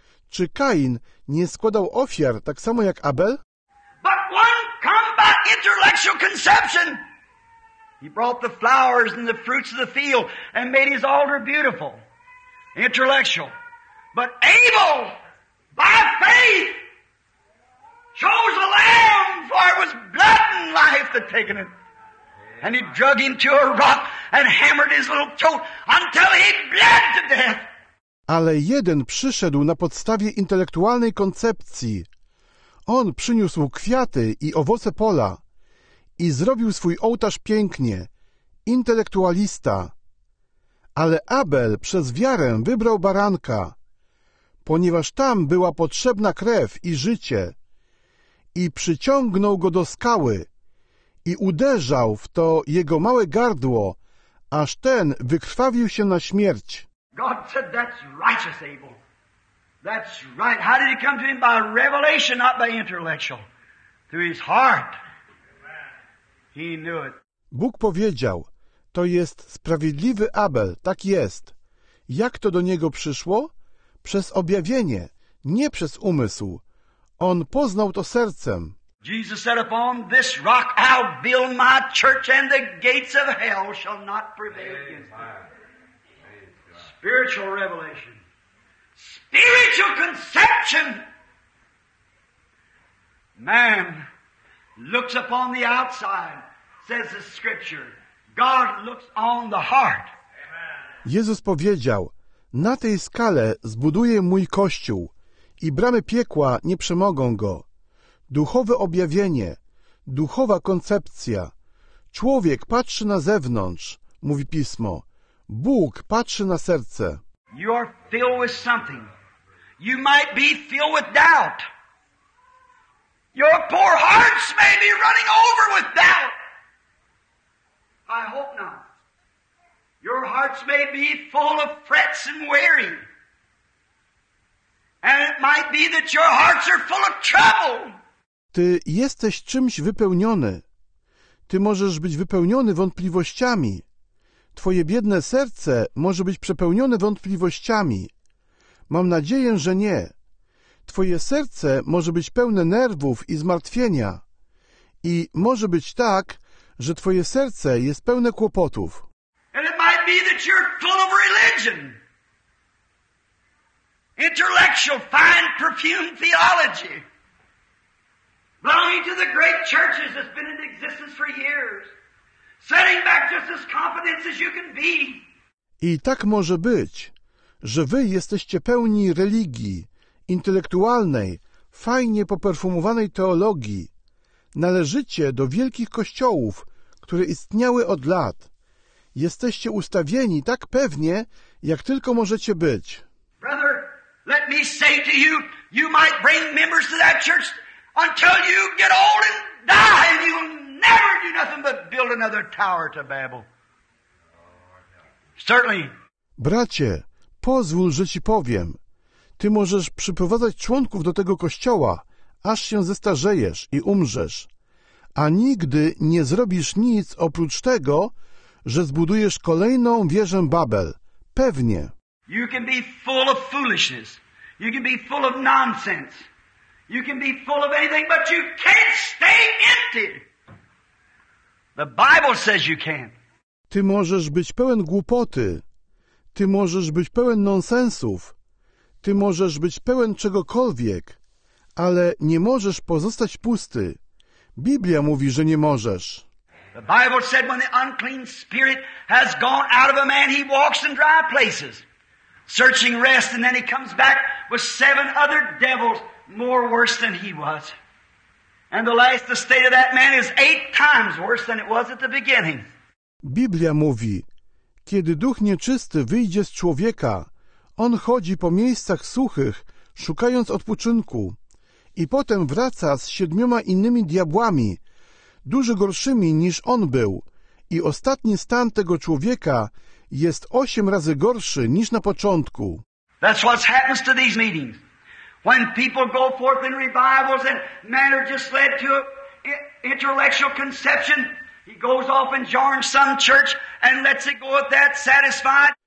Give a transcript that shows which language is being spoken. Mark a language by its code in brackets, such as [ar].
[pl] Czy Kain nie składał ofiar tak samo jak Abel? [en] But one combat intellectual conception. He brought the flowers and the fruits of the field and made his altar beautiful. Intellectual. But Abel, by faith, chose a lamb, for it was blood and life that taken it. And he drug him to a rock and hammered his little throat until he bled to death. [pl] Ale jeden przyszedł na podstawie intelektualnej koncepcji. On przyniósł kwiaty i owoce pola i zrobił swój ołtarz pięknie, intelektualista. Ale Abel przez wiarę wybrał baranka, ponieważ tam była potrzebna krew i życie, i przyciągnął go do skały i uderzał w to jego małe gardło, aż ten wykrwawił się na śmierć. [en] God said, that's righteous, Abel. That's right. How did he come to him? By revelation, not by intellectual. Through his heart. He knew it. [pl] Bóg powiedział, to jest sprawiedliwy Abel, tak jest. Jak to do niego przyszło? Przez objawienie, nie przez umysł. On poznał to sercem. [en] Jesus said, upon this rock I'll build my church and the gates of hell shall not prevail against me. Spiritual revelation. Spiritual conception. Man looks upon the outside, says the scripture. God looks on the heart. [pl] Jezus powiedział, na tej skale zbuduję mój kościół i bramy piekła nie przemogą go. Duchowe objawienie, duchowa koncepcja. Człowiek patrzy na zewnątrz, mówi Pismo. Bóg patrzy na serce. [en] You are filled with something. You might be filled with doubt. Your poor hearts may be running over with doubt. I hope not. Your hearts may be full of frets and worry. And it might be that your hearts are full of trouble. [pl] Ty jesteś czymś wypełniony. Ty możesz być wypełniony wątpliwościami. Twoje biedne serce może być przepełnione wątpliwościami. Mam nadzieję, że nie. Twoje serce może być pełne nerwów i zmartwienia. I może być tak, że twoje serce jest pełne kłopotów. [en] And it might be that you're full of religion. Intellectual, fine, perfumed theology. Belonging to the great churches that's been in existence for years. Setting back just as confident as you can be. [pl] I tak może być, że wy jesteście pełni religii, intelektualnej, fajnie poperfumowanej teologii. Należycie do wielkich kościołów, które istniały od lat. Jesteście ustawieni tak pewnie, jak tylko możecie być. [en] Brother, let me say to you, you might bring members to that church until you get old and die and you'll never do nothing but build another tower to Babel. Certainly. [pl] Bracie, pozwól, że ci powiem. Ty możesz przyprowadzać członków do tego kościoła, aż się zestarzejesz i umrzesz. A nigdy nie zrobisz nic oprócz tego, że zbudujesz kolejną wieżę Babel. Pewnie. [en] You can be full of foolishness. You can be full of nonsense. You can be full of anything, but you can't stay empty. The Bible says you can't. [pl] Ty możesz być pełen głupoty. Ty możesz być pełen nonsensów. Ty możesz być pełen czegokolwiek, ale nie możesz pozostać pusty. Biblia mówi, że nie możesz. [en] The Bible said when the unclean spirit has gone out of a man, he walks in dry places, searching rest, and then he comes back with seven other devils more worse than he was. And the last state of that man is eight times worse than it was at the beginning. [pl] Biblia mówi, kiedy duch nieczysty wyjdzie z człowieka, on chodzi po miejscach suchych, szukając odpoczynku, i potem wraca z siedmioma innymi diabłami, dużo gorszymi niż on był, i ostatni stan tego człowieka jest 8 razy gorszy niż na początku. [en] That's what happens to these meetings. When people go forth in revivals and men are just led to intellectual conception, he goes off and joins some church and lets it go at that satisfied.